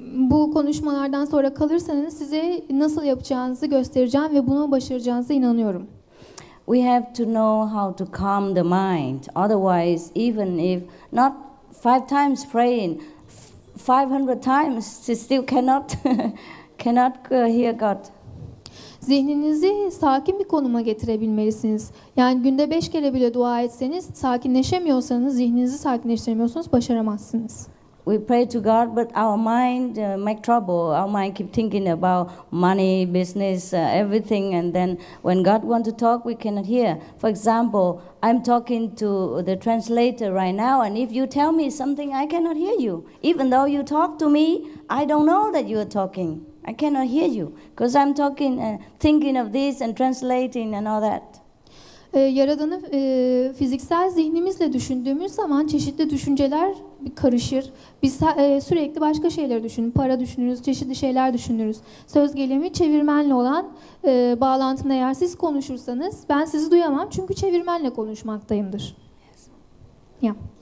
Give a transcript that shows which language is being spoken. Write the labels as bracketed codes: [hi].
[tr] Bu konuşmalardan sonra kalırsanız size nasıl yapacağınızı göstereceğim ve bunu başaracağınıza inanıyorum. [en] We have to know how to calm the mind. Otherwise, even if not five times praying, 500 times, she still cannot hear God. [tr] Zihninizi sakin bir konuma getirebilmelisiniz. Yani günde 5 kere bile dua etseniz, sakinleşemiyorsanız, zihninizi sakinleştiremiyorsunuz, başaramazsınız. [en] We pray to God, but our mind make trouble. Our mind keep thinking about money, business, everything, and then when God want to talk, we cannot hear. For example, I'm talking to the translator right now, and if you tell me something, I cannot hear you. Even though you talk to me, I don't know that you are talking. I cannot hear you because I'm talking, thinking of this and translating and all that. [tr] Yaradan'ı fiziksel zihnimizle düşündüğümüz zaman çeşitli düşünceler karışır. Biz sürekli başka şeyler düşünürüz, para düşünürüz, çeşitli şeyler düşünürüz. Söz gelimi çevirmenle olan bağlantını eğer siz konuşursanız ben sizi duyamam çünkü çevirmenle konuşmaktayımdır. Yeah.